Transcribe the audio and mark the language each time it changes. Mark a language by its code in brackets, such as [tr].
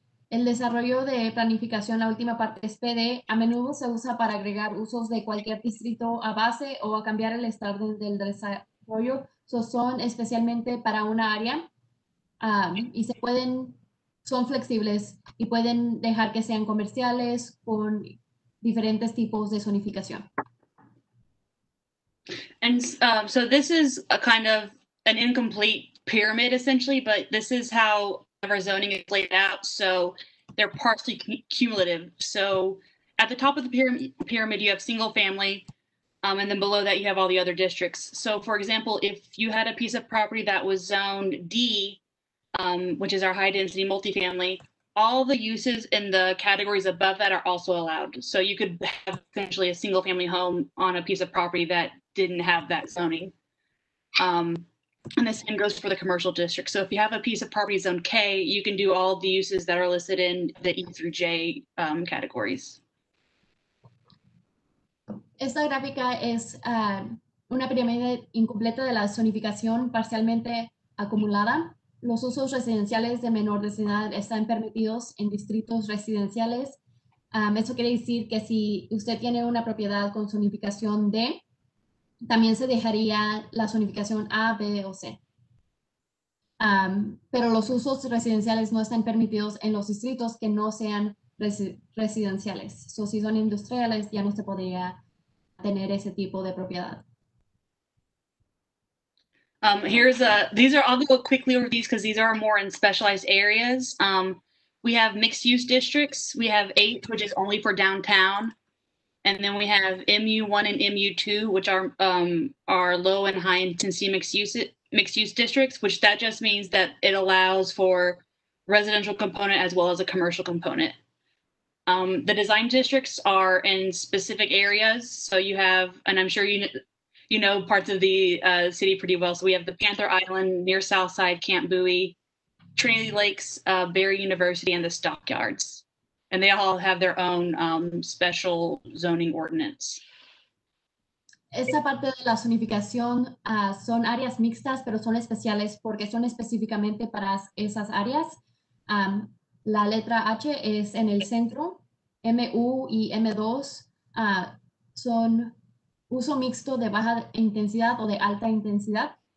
[es] El desarrollo de planificación, la última parte es PD, a menudo se usa para agregar usos de cualquier distrito a base o a cambiar el estado del desarrollo. So son especialmente para una área y se pueden, son flexibles y pueden dejar que sean comerciales con diferentes tipos de zonificación. [en] And so this is a kind of an incomplete pyramid, essentially, but this is how our zoning is laid out. So they're partially cumulative. So at the top of the pyramid, you have single family, and then below that, you have all the other districts. So for example, if you had a piece of property that was zoned D, which is our high density multifamily, all the uses in the categories above that are also allowed. So you could have essentially a single family home on a piece of property that didn't have that zoning. And the same goes for the commercial district. So if you have a piece of property zone K, you can do all the uses that are listed in the E through J categories. [es] Esta gráfica es una pirámide incompleta de la zonificación parcialmente acumulada. Los usos residenciales de menor densidad están permitidos en distritos residenciales. Eso quiere decir que si usted tiene una propiedad con zonificación D, también se dejaría la zonificación A, B o C. Pero los usos residenciales no están permitidos en los distritos que no sean residenciales. So, si son industriales, ya no se podría tener ese tipo de propiedad. [en] These are, I'll go quickly over these because these are more in specialized areas. We have mixed use districts. We have 8, which is only for downtown. And then we have MU1 and MU2, which are low and high intensity mixed use districts, which that just means that it allows for residential component as well as a commercial component. The design districts are in specific areas. So you have, and I'm sure you know parts of the city pretty well. So we have the Panther Island, near Southside, Camp Bowie, Trinity Lakes, Barry University, and the Stockyards. And they all have their own special zoning ordinance. [es] Esta parte de la zonificación son áreas mixtas, pero son especiales porque son específicamente para esas áreas. La letra H es en el centro. MU y M2 son uso mixto de baja intensidad o de alta intensidad.